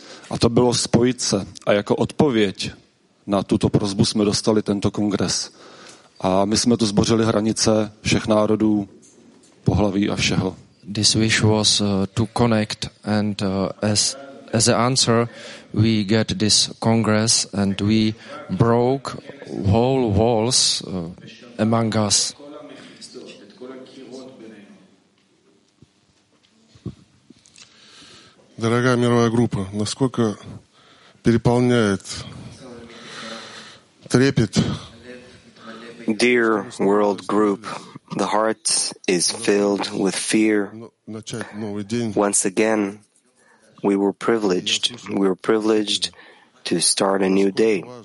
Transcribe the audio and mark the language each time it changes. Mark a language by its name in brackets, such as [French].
[Czech] a to bylo spojit se a jako odpověď na tuto prosbu jsme dostali tento kongres. A my jsme tu zbořili hranice všech národů, pohlaví a všeho. [English] This wish was to connect and as an answer we get this congress and we broke whole walls among us. [Russian] Дорогая мировая группа, насколько переполняет трепет. [English] Dear world group, the heart is filled with fear. Once again, we were privileged to start a new day.